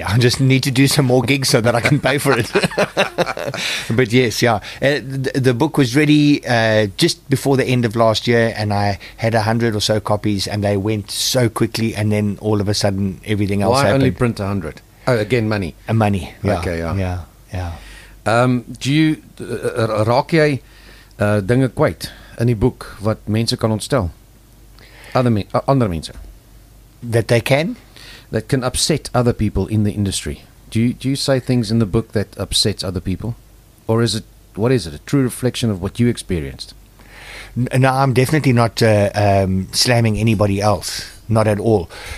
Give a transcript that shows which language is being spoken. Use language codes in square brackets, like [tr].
[en] I just need to do some more gigs so that I can pay for it. But yes, yeah. The book was ready just before the end of last year, and I had 100 or so copies, and they went so quickly, and then all of a sudden everything else happened. Why only print 100? Oh, again, money. And money. Yeah. Okay, yeah. Yeah, yeah. Do you [af] raak jy dinge kwyt in die boek wat mense kan ontstel? Ander mense. [en] That they can? That can upset other people in the industry. Do you say things in the book that upsets other people? Or is it, what is it, a true reflection of what you experienced? No, I'm definitely not slamming anybody else. Not at all.